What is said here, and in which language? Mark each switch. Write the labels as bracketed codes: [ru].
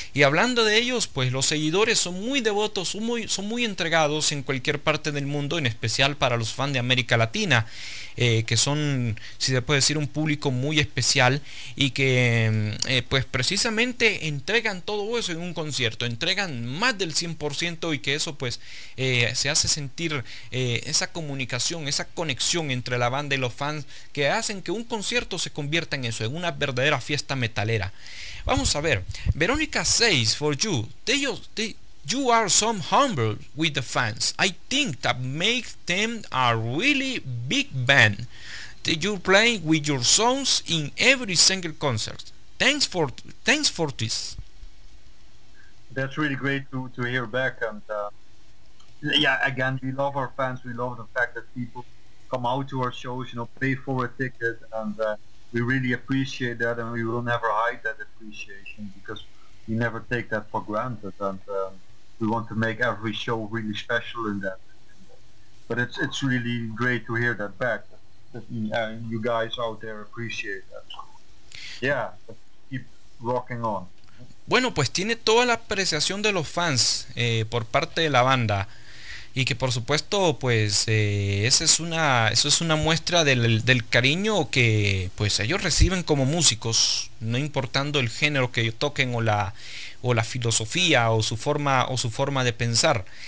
[es] Y hablando de ellos, pues los seguidores son muy devotos, son muy entregados en cualquier parte del mundo, en especial para los fans de América Latina, que son, si se puede decir, un público muy especial, y que pues precisamente entregan todo eso en un concierto, entregan más del 100%, y que eso pues se hace sentir esa comunicación, esa conexión entre la banda y los fans, que hacen que un concierto se convierta en eso, en una verdadera fiesta metalera. Vamos a ver, [en] Verónica says, for you, you are some humble with the fans. I think that makes them a really big band. You play with your songs in every single concert. Thanks for this. That's really great to hear back. And yeah, again, we love our fans. We love the fact that people come out to our shows, you know, pay for a ticket, and we really appreciate that, and we will never hide that appreciation, because we never take that for granted, and we want to make every show really special in that. But it's really great to hear that back, and you guys out there appreciate that. Yeah, keep rocking on. [es] Bueno, pues tiene toda la apreciación de los fans por parte de la banda. Y que por supuesto, pues eso es una muestra del cariño que pues ellos reciben como músicos, no importando el género que toquen o la filosofía o su forma de pensar.